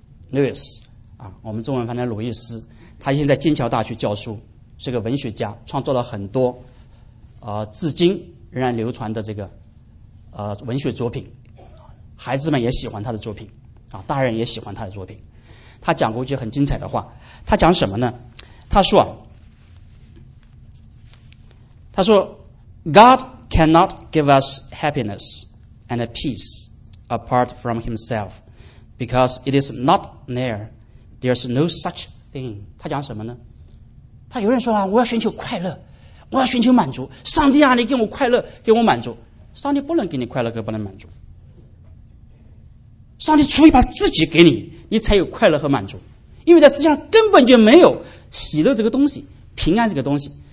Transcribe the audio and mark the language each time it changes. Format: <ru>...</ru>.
<zh>Lewis 啊，我们中文翻译鲁易斯。他现在剑桥大学教书，是个文学家，创作了很多至今仍然流传的这个文学作品，孩子们也喜欢他的作品啊，大人也喜欢他的作品。他讲过一句很精彩的话，他讲什么呢？他说</zh> <en>God cannot give us happiness and peace apart from himself because it is not there, there's no such thing。</en> <zh>他讲什么呢？他有人说啊，我要寻求快乐，我要寻求满足，上帝啊，你给我快乐，给我满足。上帝不能给你快乐，可不能满足，上帝除非把自己给你，你才有快乐和满足。因为在世界上根本就没有喜乐这个东西，平安这个东西。</zh>